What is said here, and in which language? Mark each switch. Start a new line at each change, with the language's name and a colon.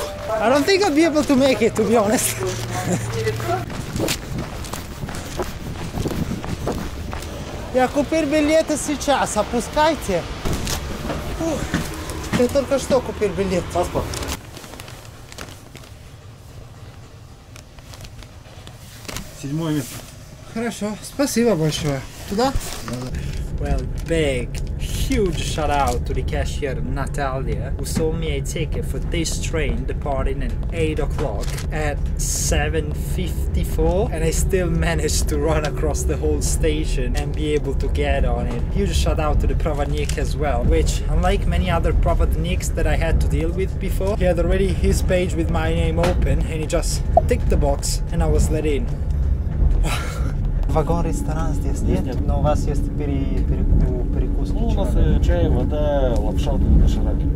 English: I don't think I'll be able to make it, to be honest.
Russian: Я купил билеты сейчас, опускайте. Я только что купил билет. Паспорт. Седьмое место. Хорошо, спасибо большое. Туда?
English: Well, big, huge shout out to the cashier Natalia, who sold me a ticket for this train departing at 8 o'clock at 7:54, and I still managed to run across the whole station and be able to get on it. Huge shout out to the Pravodnik as well, which, unlike many other Pravodniks that I had to deal with before, he had already his page with my name open and he just ticked the box and I was let in.
Russian: Вагон ресторан здесь нет? Нет, но у вас есть перекус. Ну, у нас чай, вода, лапша, кошерак.